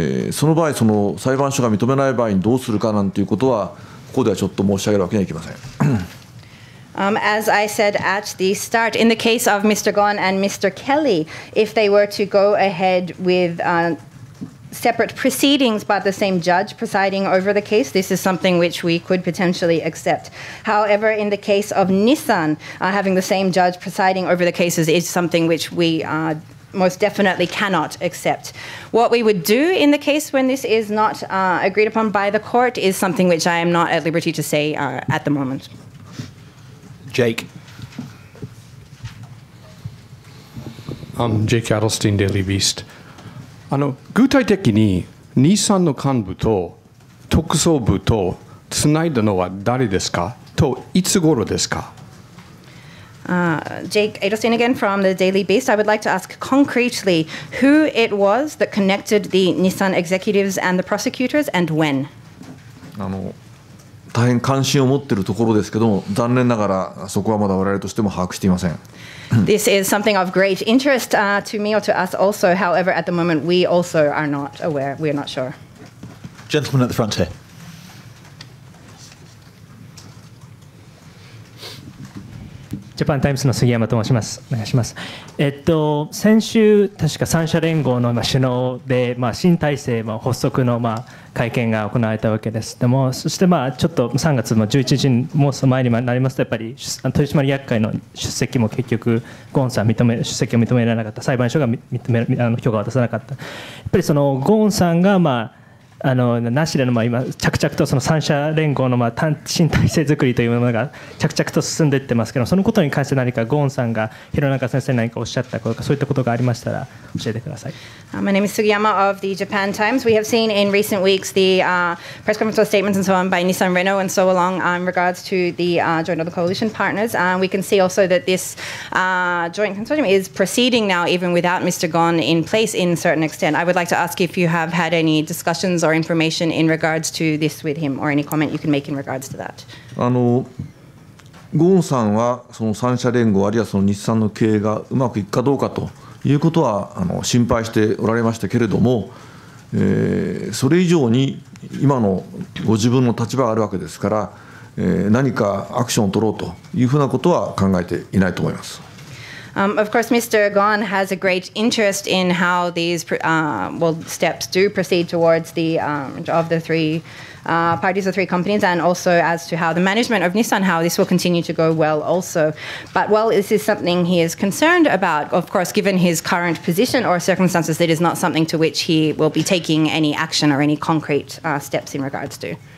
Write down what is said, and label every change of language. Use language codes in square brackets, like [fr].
[ja] その場合、その裁判所が認めない場合にどうするかなんていうことはここではちょっと申し上げるわけにはいきません。 [en] As I said at the start, in the case of Mr. Ghosn and Mr. Kelly, if they were to go ahead with separate proceedings by the same judge presiding over the case, this is something which we could potentially accept. However, in the case of Nissan, having the same judge presiding over the cases is something which we most definitely cannot accept. What we would do in the case when this is not agreed upon by the court is something which I am not at liberty to say at the moment. Jake. Jake Adelstein, Daily Beast. [ja] 具体的に日産の幹部と特捜部とつないだのは誰ですか？といつ頃ですか？ [en] Jake Adelstein again from the Daily Beast. I would like to ask concretely who it was that connected the Nissan executives and the prosecutors and when? [ja] 大変関心を持っているところですけども、残念ながらそこはまだ我々としても把握していません。 [en] This is something of great interest, to me or to us also. However, at the moment, we also are not aware. We are not sure. Gentleman at the front here. [ja] Japan Times の杉山と申します。お願いします。先週確か三者連合の首脳で、まあ、新体制の発足の、まあ、会見が行われたわけですけども、そして、まあ、ちょっと3月の11日にもう前になりますと、やっぱり取締役会の出席も結局ゴーンさん認め出席を認められなかった、裁判所が認め許可を渡さなかった、やっぱりそのゴーンさんが、まあ、なしでの、まあ、今着々とその三者連合の、まあ、新体制作りというものが着々と進んでいってますけど、そのことに関して何かゴーンさんが廣中先生に何かおっしゃったことか、そういったことがありましたら教えてください。 [en] My name is Sugiyama of the Japan Times. We have seen in recent weeks the press conference or statements and so on by Nissan Renault and so along in regards to the joint of the coalition partners. We can see also that this joint consortium is proceeding now even without Mr. Ghosn in place in certain extent. I would like to ask if you have had any discussionsor information in regards to this with him or any comment you can make in regards to that. [ja] ゴーンさんはその三者連合あるいはその日産の経営がうまくいくかどうかということは心配しておられましたけれども、それ以上に今のご自分の立場があるわけですから、何かアクションを取ろうというふうなことは考えていないと思います。 [en] Of course, Mr. Ghosn has a great interest in how these steps do proceed towards the of the three parties or three companies, and also as to how the management of Nissan, how this will continue to go well also. But while this is something he is concerned about, of course, given his current position or circumstances, it is not something to which he will be taking any action or any concrete steps in regards to.